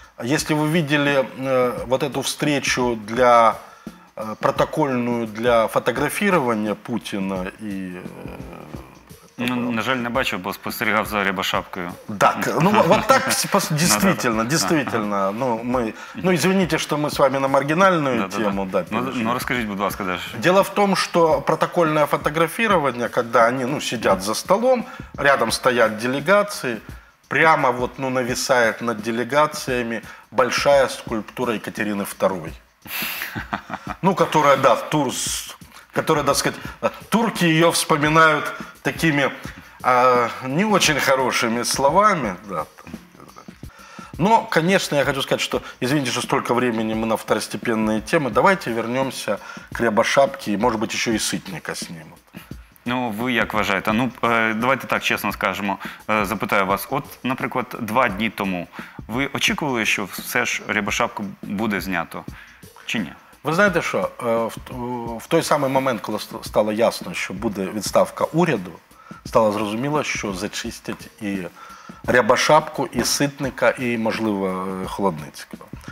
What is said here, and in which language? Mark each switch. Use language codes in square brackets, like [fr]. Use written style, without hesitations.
[ru] Если вы видели вот эту встречу для протокольную для фотографирования Путина и... [uk] На жаль, не бачив, бо спостерігав за Рябошапкою. [ru] Так, ну вот так действительно, действительно. Ну, мы, ну извините, что мы с вами на маргинальную тему. Да, ну расскажите, [uk] будь ласка, [ru] дальше. Дело в том, что протокольное фотографирование, когда они ну, сидят за столом, рядом стоят делегации, прямо вот ну, нависает над делегациями большая скульптура Екатерины II. Ну, которая, да, которая, так сказать, турки ее вспоминают такими не очень хорошими словами. Да. Но, конечно, я хочу сказать, что, извините, что столько времени мы на второстепенные темы, давайте вернемся к Рябошапке и, может быть, еще и Сытника снимут. [uk] Ну, ви як вважаєте? Ну, давайте так чесно скажемо, запитаю вас. От, наприклад, два дні тому ви очікували, що все ж Рябошапку буде знято, чи ні? Ви знаєте що, в той самий момент, коли стало ясно, що буде відставка уряду, стало зрозуміло, що зачистять і Рябошапку, і Ситника, і, можливо, Холодницького.